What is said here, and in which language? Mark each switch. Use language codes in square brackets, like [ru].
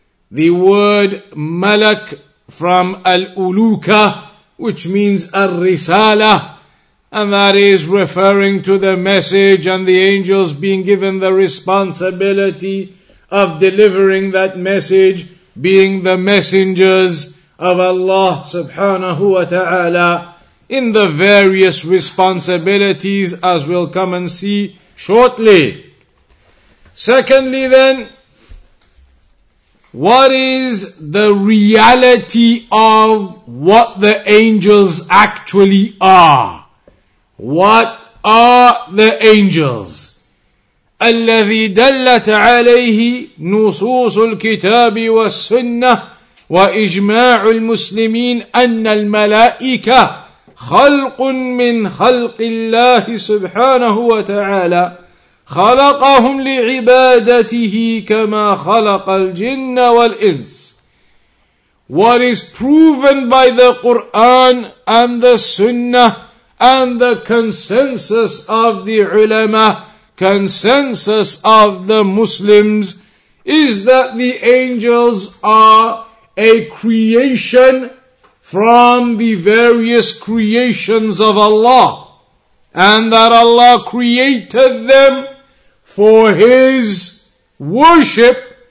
[en] the word malak from Al-Uluka, which means Al-Risala, and that is referring to the message and the angels being given the responsibility of delivering that message, being the messengers of Allah subhanahu wa ta'ala in the various responsibilities, as we'll come and see shortly. Secondly then, what is the reality of what the angels actually are? What are the angels. [ar] الذي دلت عليه نصوص الكتاب والسنة وإجماع المسلمين أن الملائكة خلق من خلق الله سبحانه وتعالى خلقهم لعبادته كما خلق الجن والإنس. [en] What is proven by the Quran and the Sunnah and the consensus of the ulama, consensus of the Muslims, is that the angels are a creation from the various creations of Allah, and that Allah created them for His worship.